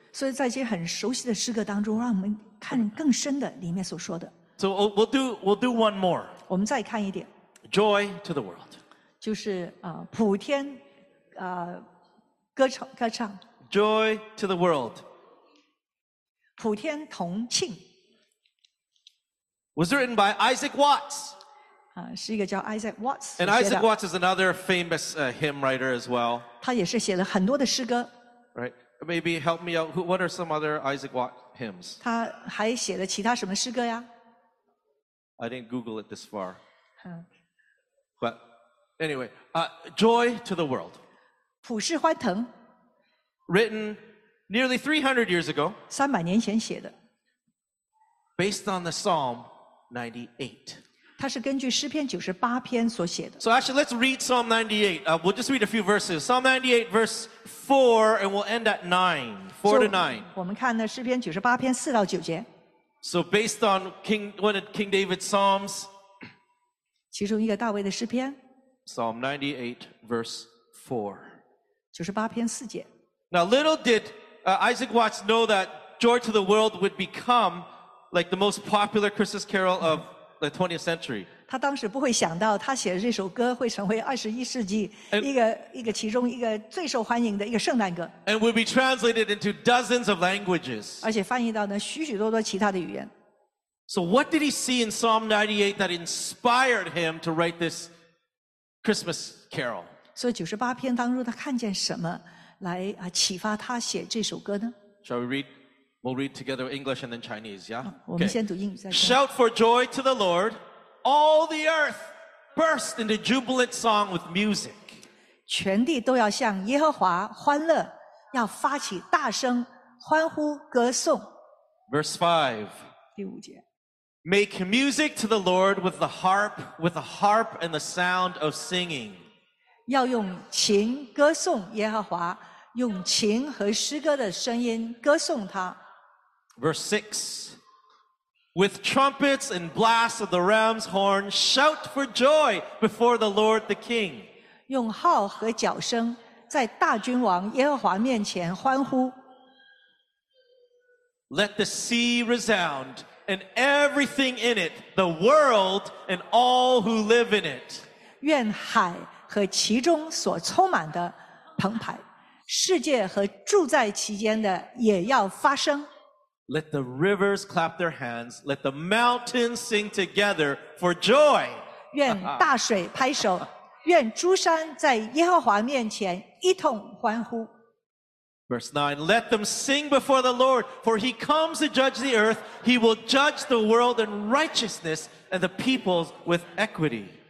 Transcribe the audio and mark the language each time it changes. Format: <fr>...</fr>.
<zh>所以在一些很熟悉的诗歌当中，让我们看更深的里面所说的。</zh> <en>So we'll do one more.</en> <zh>我们再看一点。</zh> <en>Joy to the world.</en> <zh>就是普天歌唱。</zh> <en>Joy to the world.</en> <zh>普天同庆</zh> <en>was written by Isaac Watts.</en> <zh>是一个叫 Isaac Watts.</zh> <en>And Isaac Watts is another famous hymn writer as well.</en> <zh>他也是写了很多的诗歌</zh> <en>Right. Maybe help me out. What are some other Isaac Watts hymns?</en> <zh>他还写了其他什么诗歌呀</zh> <en>I didn't Google it this far. But anyway, Joy to the World.</en> <zh>普世欢腾</zh> <en>Written. Nearly 300 years ago,</en> <zh>300年前写的</zh> <en>based on the Psalm 98.</en> <zh>它是根据诗篇98篇所写的</zh> <en>So actually, let's read Psalm 98. We'll just read a few verses. Psalm 98, verse 4, and we'll end at 9. 4 to 9.</en> <zh>我们看呢诗篇98篇4到9节</zh> <en>So based on one of King David's Psalms,</en> <zh>其中一个大卫的诗篇</zh> <en>Psalm 98, verse 4.</en> <zh>98篇4节</zh> <en>Now little didIsaac Watts knew that Joy to the World would become like the most popular Christmas carol of the 20th century.</en> <zh>他当时不会想到他写的这首歌会成为21世纪一个其中一个最受欢迎的一个圣诞歌。</zh> <en>And would be translated into dozens of languages.</en> <zh>而且翻译到呢许许多多其他的语言。</zh> <en>So what did he see in Psalm 98 that inspired him to write this Christmas carol?</en> <zh>所以98篇当中他看见什么来启发他写这首歌呢</zh> <en>Shall we read? We'll read together English and then Chinese, yeah?</en> <zh>我们先读英语再读</zh> <en>Shout for joy to the Lord, all the earth burst into jubilant song with music.</en> <zh>全地都要向耶和华欢乐，要发起大声欢呼歌颂</zh> <en>Verse 5.</en> <zh>第五节</zh> <en>Make music to the Lord with the harp and the sound of singing.</en> <zh>要用琴歌颂耶和华，用琴和诗歌的声音歌颂他。</zh> <en>Verse 6. With trumpets and blasts of the ram's horn, shout for joy before the Lord the King.</en> <zh>用号和角声在大君王耶和华面前欢呼。</zh> <en>Let the sea resound and everything in it, the world and all who live in it.</en> <zh>愿海和其中所充满的澎湃，世界和住在其间的也要发声。</zh> <en>Let the rivers clap their hands, let the mountains sing together for joy.</en> <zh>愿大水拍手，愿诸山在耶和华面前一同欢呼。</zh> <en>Verse 9, let them sing before the Lord, for he comes to judge the earth. He will judge the world in righteousness and the peoples with equity.</en>